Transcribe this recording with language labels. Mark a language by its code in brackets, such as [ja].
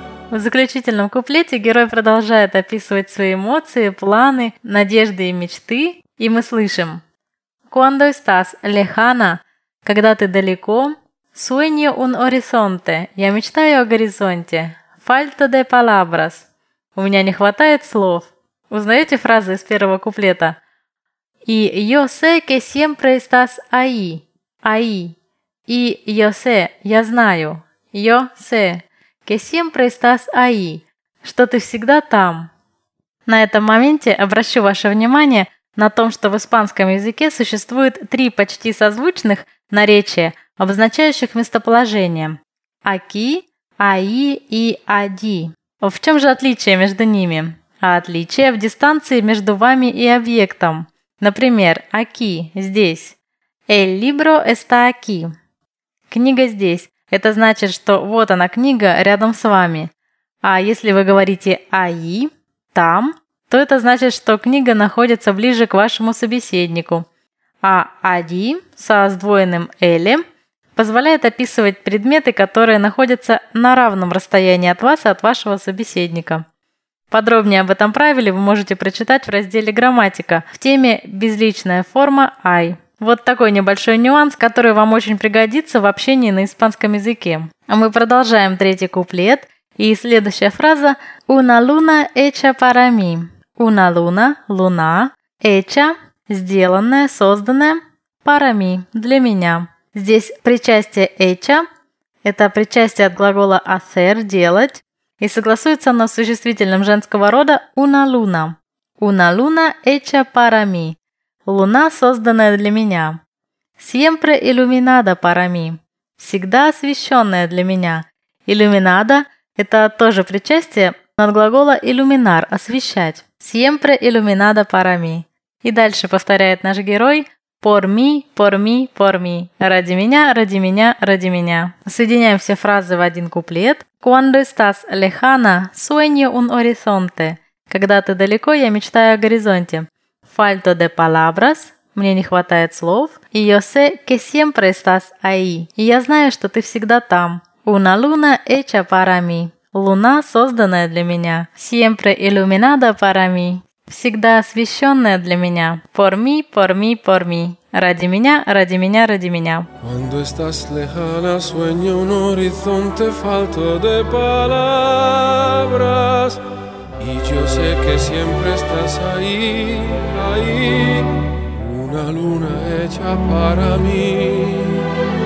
[ru] В заключительном куплете герой продолжает описывать свои эмоции, планы, надежды и мечты, и мы слышим [es] «Cuando estás lejana» [ru] – «Когда ты далеко», [es] «Sueño un horizonte» [ru] – «Я мечтаю о горизонте», [es] «Falta de palabras» [ru] – «У меня не хватает слов». Узнаете фразы из первого куплета? [es] «И yo sé que siempre estás ahí» – «Ahí» – «И yo sé» – [ru] «Я знаю» [es] – «Yo sé» «Que siempre estás ahí» – [ru] «Что ты всегда там». На этом моменте обращу ваше внимание на том, что в испанском языке существует три почти созвучных наречия, обозначающих местоположение. [es] «Aquí», «ahí» и «allí». [ru] В чем же отличие между ними? А отличие в дистанции между вами и объектом. Например, «aquí» – «здесь». [es] «El libro está aquí» – [ru] «книга здесь». Это значит, что вот она, книга, рядом с вами. А если вы говорите «ahí» – «там», то это значит, что книга находится ближе к вашему собеседнику. А «allí» со сдвоенным «l» позволяет описывать предметы, которые находятся на равном расстоянии от вас и от вашего собеседника. Подробнее об этом правиле вы можете прочитать в разделе «Грамматика» в теме «Безличная форма I». Вот такой небольшой нюанс, который вам очень пригодится в общении на испанском языке. А мы продолжаем третий куплет. И следующая фраза [es] «Una luna hecha para mí». «Una luna» – «луна», «hecha» – «сделанная», «созданная», «para mí» – [ru] «для меня». Здесь причастие «hecha» – это причастие от глагола «hacer» – «делать». И согласуется оно с существительным женского рода «una luna». [es] «Una luna hecha para mí». [ru] «Луна, созданная для меня». [es] «Siempre iluminada para mí». [ru] «Всегда освещенная для меня». «Illuminada» – это тоже причастие от глагола «illuminar» – «освещать». [es] «Siempre iluminada para mí». [ru] И дальше повторяет наш герой [es] «por mí, por mí, por mí». [ru] «Ради меня, ради меня, ради меня». Соединяем все фразы в один куплет. [es] «Cuando estás lejana, sueño un horizonte». [ru] «Когда ты далеко, я мечтаю о горизонте». [es] «Falto de palabras». [ru] «Мне не хватает слов». [es] «Y yo sé que siempre estás ahí». [ru] «И я знаю, что ты всегда там». [es] «Una luna hecha para mí». [ru] «Луна, созданная для меня». [es] «Siempre iluminada para mí». [ru] «Всегда освещенная для меня». [es] «Por mí, por mí, por mí». [ru] «Ради меня, ради меня, ради меня». [es] «Cuando estás lejana, sueño un horizonte, falto de palabras». «Y yo sé que siempre estás ahí, ahí». «Una luna hecha para mí».